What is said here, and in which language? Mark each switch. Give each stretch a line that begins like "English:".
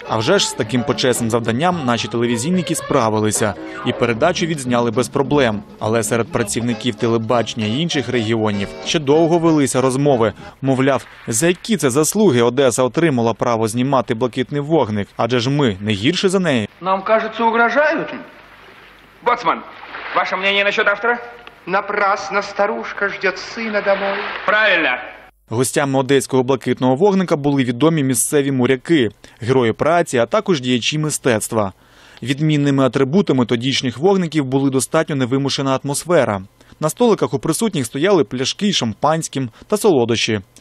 Ukrainian: А вже ж з таким почесним завданням наші телевізійники справилися. І передачу відзняли без проблем. Але серед працівників телебачення інших регіонів ще довго велися розмови. Мовляв, за які це заслуги Одеса отримала право знімати «Блакитний вогник»? Адже ж ми не гірше за неї. Нам, кажуть, угрожають.
Russian: Боцман, ваше мнение насчет автора? Напрасно старушка жде сина домой. Правильно.
Ukrainian: Гостями Одеського блакитного вогника були відомі місцеві моряки, герої праці, а також діячі мистецтва. Відмінними атрибутами тодішніх вогників були достатньо невимушена атмосфера. На столиках у присутніх стояли пляшки, шампанським та солодощі.